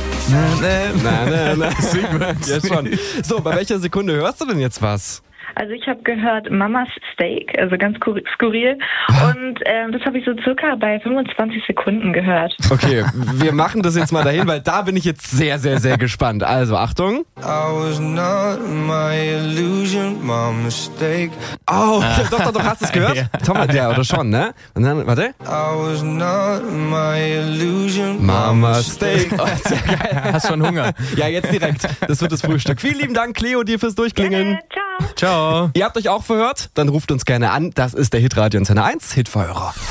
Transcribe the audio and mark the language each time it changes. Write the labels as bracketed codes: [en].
[de] Schon. So, bei welcher Sekunde hörst du denn jetzt was? Also ich habe gehört Mama's Steak, also ganz skurril. Und das habe ich so circa bei 25 Sekunden gehört. Okay, wir machen das jetzt mal dahin, weil da bin ich jetzt sehr, sehr, sehr gespannt. Also Achtung. [en] I was not my illusion, Mama's Steak. [de] Oh, doch, hast du es gehört? Ja. Tom hat ja, oder schon, ne? Und dann, warte. [en] I was not my illusion, Mama's Steak. [de] Oh, sehr geil. Hast schon Hunger? Ja, jetzt direkt. Das wird das Frühstück. Vielen lieben Dank, Cleo, dir fürs Durchklingen. Ja, ciao. Ciao. Ihr habt euch auch verhört? Dann ruft uns gerne an. Das ist der Hitradio Antenne 1 Hitverhörer.